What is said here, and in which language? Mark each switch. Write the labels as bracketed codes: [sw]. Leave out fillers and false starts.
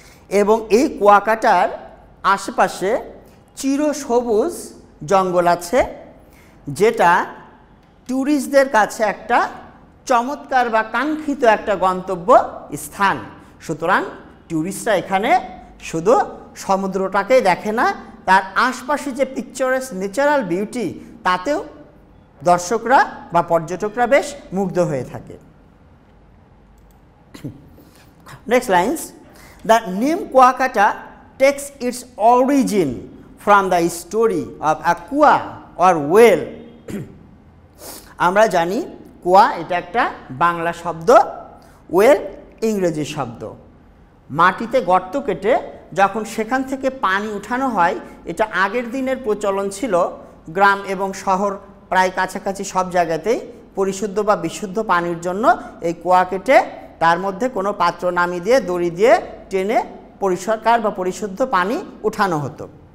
[bn] এবং এই কুয়াকাটার আশেপাশে চির সবুজ জঙ্গল আছে যেটা ট্যুরিস্টদের কাছে একটা চমৎকার বা কাঙ্ক্ষিত একটা গন্তব্য স্থান সুতরাং ট্যুরিস্টরা এখানে শুধু সমুদ্রটাকেই দেখে না তার আশপাশে যে [en] picturesque natural beauty [bn] তাতেও দর্শকরা বা পর্যটকরা বেশ মুগ্ধ হয়ে থাকে [en] Next lines the name Kuakata takes its origin from the story of aqua or well. [bn] আমরা জানি কুয়া এটা একটা বাংলা শব্দ, ওয়েল ইংরেজি শব্দ। মাটিতে গর্ত কেটে যখন সেখান থেকে পানি উঠানো হয়, এটা আগের দিনের প্রচলন ছিল, গ্রাম এবং শহর প্রায় কাছাকাছি সব জায়গাতেই পরিশুদ্ধ বা বিশুদ্ধ পানির জন্য এই কুয়া কেটে তার মধ্যে কোনো পাত্র নামিয়ে দিয়ে দড়ি দিয়ে টেনে পরিষ্কার বা পরিশুদ্ধ পানি উঠানো হতো।